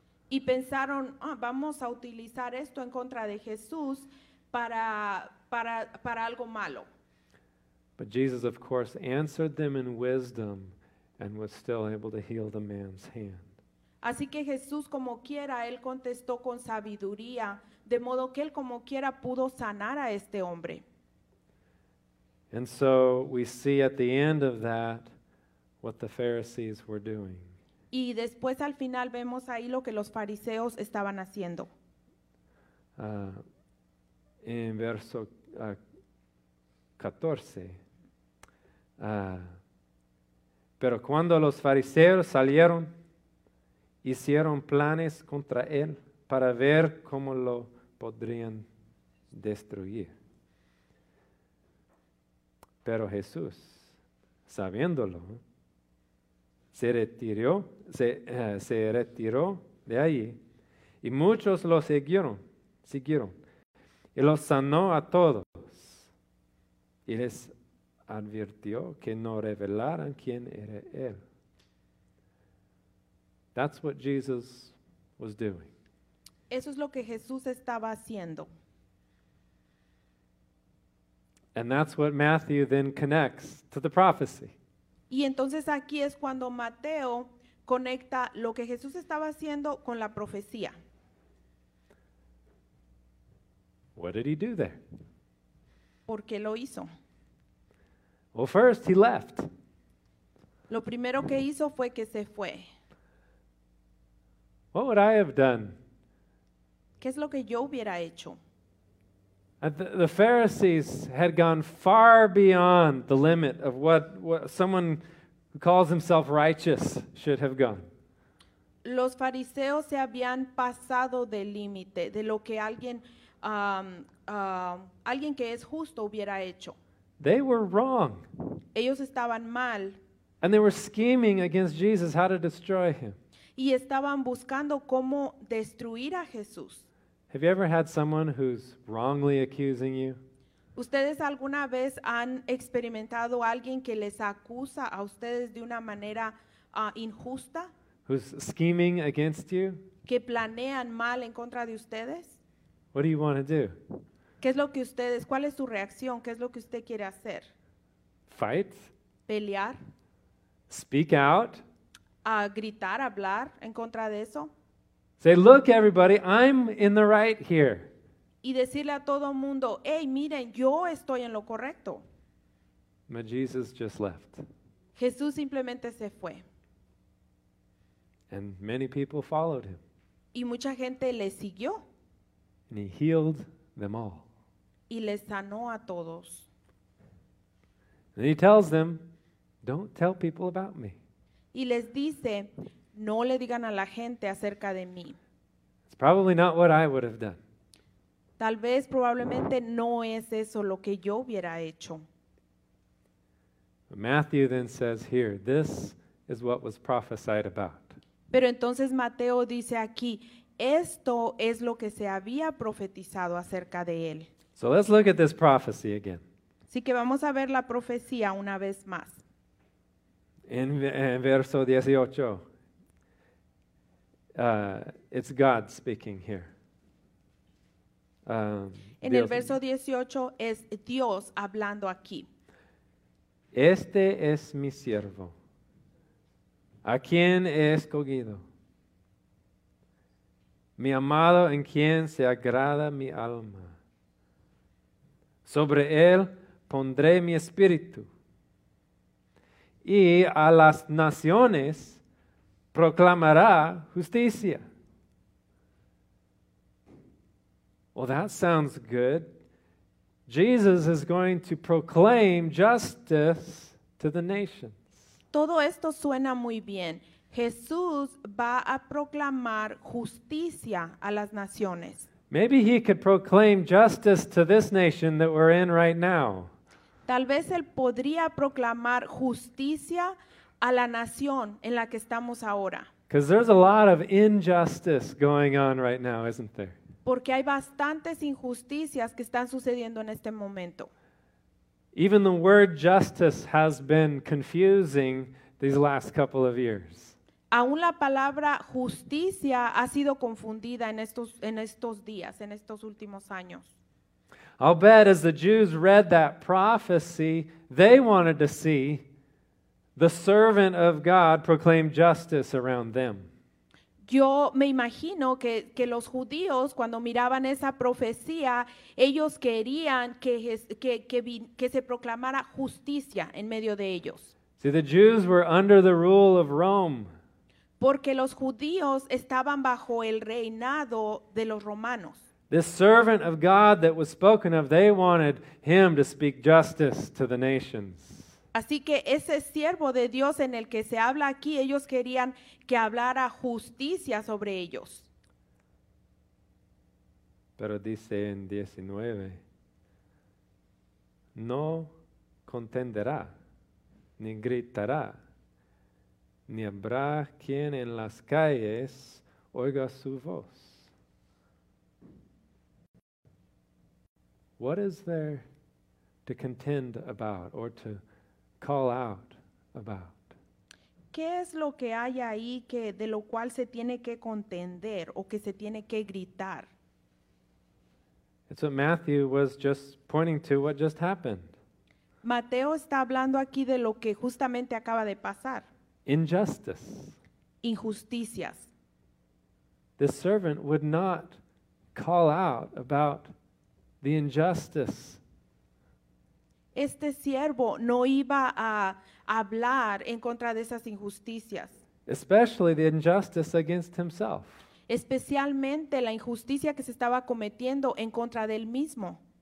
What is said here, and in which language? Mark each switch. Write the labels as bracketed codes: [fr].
[es] Y pensaron, vamos a utilizar esto en contra de Jesús para algo malo. [en] But Jesus, of course, answered them in wisdom and was still able to heal the man's hand. [es] Así que Jesús, como quiera, él contestó con sabiduría, de modo que él, como quiera, pudo sanar a este hombre. [en] And so we see at the end of that what the Pharisees were doing. [es] Y después al final vemos ahí lo que los fariseos estaban haciendo. En verso 14. Pero cuando los fariseos salieron, hicieron planes contra él para ver cómo lo podrían destruir. Pero Jesús, sabiéndolo, se retiró de allí, y muchos lo siguieron, y los sanó a todos, y les advirtió que no revelaran quién era él. [en] That's what Jesus was doing. [es] Eso es lo que Jesús estaba haciendo. [en] And that's what Matthew then connects to the prophecy. [es] Y entonces aquí es cuando Mateo conecta lo que Jesús estaba haciendo con la profecía. [en] What did he do there? [es] ¿Por qué lo hizo? [en] Well, first he left. [es] Lo primero que hizo fue que se fue. [en] What would I have done? [es] ¿Qué es lo que yo hubiera hecho? [en] The Pharisees had gone far beyond the limit of what someone who calls himself righteous should have gone. [es] Los fariseos se habían pasado del límite de lo que alguien que es justo hubiera hecho. [en] They were wrong. [es] Ellos estaban mal. [en] And they were scheming against Jesus how to destroy him. [es] Y estaban buscando cómo destruir a Jesús. [en] Have you ever had someone who's wrongly accusing you? [es] ¿Ustedes alguna vez han experimentado alguien que les acusa a ustedes de una manera injusta, [en] who's scheming against you, [es] que planean mal en contra de ustedes. [en] What do you want to do? [es] ¿Qué es lo que ustedes, cuál es su reacción? ¿Qué es lo que usted quiere hacer? [en] Fight. [es] Pelear. [en] Speak out. [es] Gritar, hablar en contra de eso. [en] Say, look everybody, I'm in the right here. [es] Y decirle a todo mundo, hey, miren, yo estoy en lo correcto. [en] But Jesus just left. [es] Jesús simplemente se fue. [en] And many people followed him. [es] Y mucha gente le siguió. [en] And he healed them all. [es] Y les sanó a todos. [en] And he tells them, don't tell people about me. [es] Y les dice, no le digan a la gente acerca de mí. [en] It's probably not what I would have done. [es] Tal vez, probablemente, no es eso lo que yo hubiera hecho. [en] Matthew then says here, this is what was prophesied about. [es] Pero entonces Mateo dice aquí, esto es lo que se había profetizado acerca de él. [en] So let's look at this prophecy again. [es] Así que vamos a ver la profecía una vez más. En verso 18, [en] it's God speaking here. [es] En el verso 18 es Dios hablando aquí. Este es mi siervo, a quien he escogido, mi amado en quien se agrada mi alma. Sobre él pondré mi espíritu, y a las naciones proclamará justicia. [en] Well, that sounds good. Jesus is going to proclaim justice to the nations. [es] Todo esto suena muy bien. Jesús va a proclamar justicia a las naciones. [en] Maybe he could proclaim justice to this nation that we're in right now. [es] Tal vez él podría proclamar justicia a la nación en la que estamos ahora. [en] Because there's a lot of injustice going on right now, isn't there? [es] Porque hay bastantes injusticias que están sucediendo en este momento. [en] Even the word justice has been confusing these last couple of years. [es] Aún la palabra justicia ha sido confundida en estos días, en estos últimos años. [en] I'll bet as the Jews read that prophecy, they wanted to see the servant of God proclaim justice around them. [es] Yo me imagino que los judíos, cuando miraban esa profecía, ellos querían que se proclamara justicia en medio de ellos. [en] See, the Jews were under the rule of Rome. [es] Porque los judíos estaban bajo el reinado de los romanos. [en] This servant of God that was spoken of, they wanted him to speak justice to the nations. [es] Así que ese siervo de Dios en el que se habla aquí, ellos querían que hablara justicia sobre ellos. Pero dice en 19, no contenderá, ni gritará, ni habrá quien en las calles oiga su voz. [en] What is there to contend about or to call out about? [es] ¿Qué es lo que hay ahí que de lo cual se tiene que contender o que se tiene que gritar? [en] It's what Matthew was just pointing to, what just happened. [es] Mateo está hablando aquí de lo que justamente acaba de pasar. [en] Injustice. [es] Injusticias. [en] The servant would not call out about the injustice. [es] Este siervo no iba a hablar en contra de esas injusticias. [en] Especially the injustice against himself. [es] Especialmente la injusticia que se estaba cometiendo en contra de él mismo.